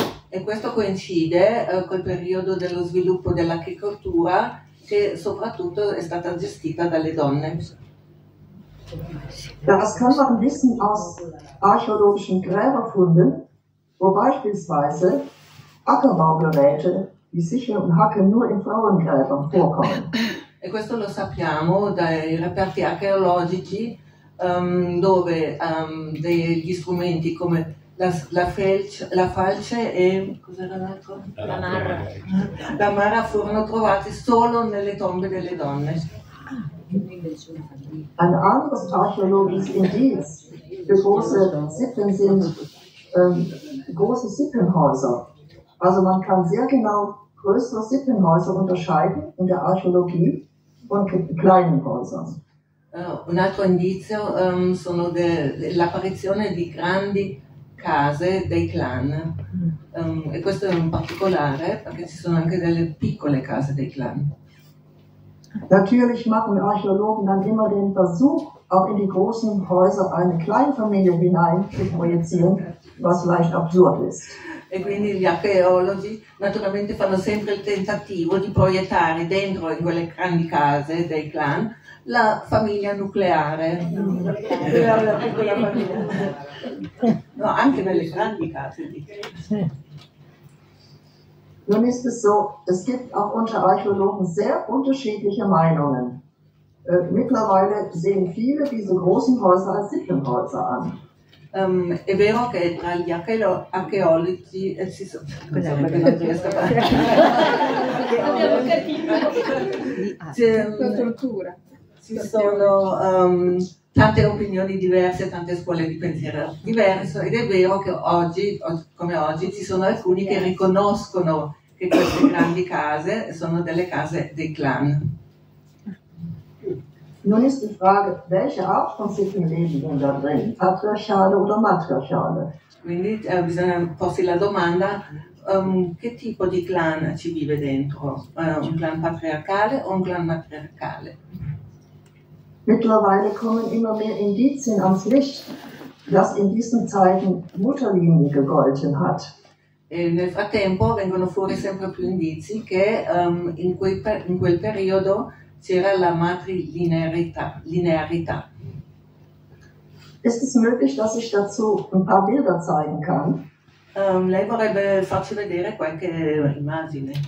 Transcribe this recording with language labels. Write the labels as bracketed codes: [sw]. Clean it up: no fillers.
[it] E questo coincide col periodo dello sviluppo dell'agricoltura che soprattutto è stata gestita dalle donne. [de] Das kann man wissen aus archäologischen Gräberfunden, wo beispielsweise Ackerbaugeräte wie Sichel und Hacke nur in Frauengräbern vorkommen. [it] E questo lo sappiamo dai reperti archeologici dove degli strumenti come la falce e cos'era l'altro? La marra furono trovati solo nelle tombe delle donne. [de] Ein anderes archäologisches Indiz für große Sippen sind große Sippenhäuser. Also man kann sehr genau größere Sippenhäuser unterscheiden in der Archäologie von kleinen Häusern. [it] Un altro indizio sono l'apparizione di grandi case dei clan. E questo è un particolare perché ci sono anche delle piccole case dei clan. [de] Natürlich machen Archäologen dann immer den Versuch, auch in die großen Häuser eine Kleinfamilie hinein zu projizieren, was leicht absurd ist. [it] E quindi gli archeologi naturalmente fanno sempre il tentativo di proiettare dentro in quelle grandi case dei clan la famiglia nucleare. No, anche nelle grandi case. [de] Nun ist es so, es gibt auch unter Archäologen sehr unterschiedliche Meinungen. Mittlerweile sehen viele diese großen Häuser als Sippenhäuser an. [it] È vero che tra gli archeologi ci sono tante opinioni diverse, tante scuole di pensiero diverse, ed è vero che oggi, come oggi, ci sono alcuni che riconoscono che queste grandi case sono delle case dei clan. [de] Nun ist die Frage, welche Art von Sippen leben denn da drin? Patriarchale oder matriarchale? [it] Quindi bisogna porsi la domanda Che tipo di clan ci vive dentro? Un clan patriarcale o un clan matriarcale? [de] Mittlerweile kommen immer mehr Indizien ans Licht, dass in diesen Zeiten Mutterlinie gegolten hat. [it] E nel frattempo vengono fuori sempre più indizi che in quel periodo c'era la matrilinearità. [de] Ist es möglich, dass ich dazu ein paar Bilder zeigen kann? [it] Lei vorrebbe farci vedere qualche immagine.